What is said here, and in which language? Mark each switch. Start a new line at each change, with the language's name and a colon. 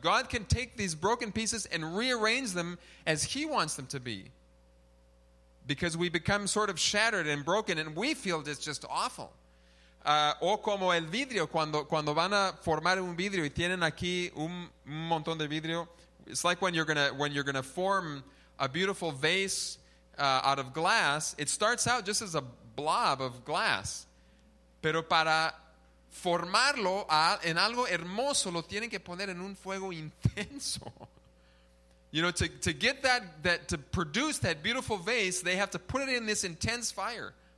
English: God can take these broken pieces and rearrange them as He wants them to be. Because we become sort of shattered and broken and we feel it's just awful.
Spanish: O como el vidrio, cuando van a formar un vidrio y tienen aquí un montón de vidrio.
English: It's like when you're gonna form a beautiful vase out of glass. It starts out just as a blob of glass.
Spanish: Pero para formarlo en algo hermoso, lo tienen que poner en un fuego intenso.
English: You know, to get that to produce that beautiful vase, they have to put it in this intense fire.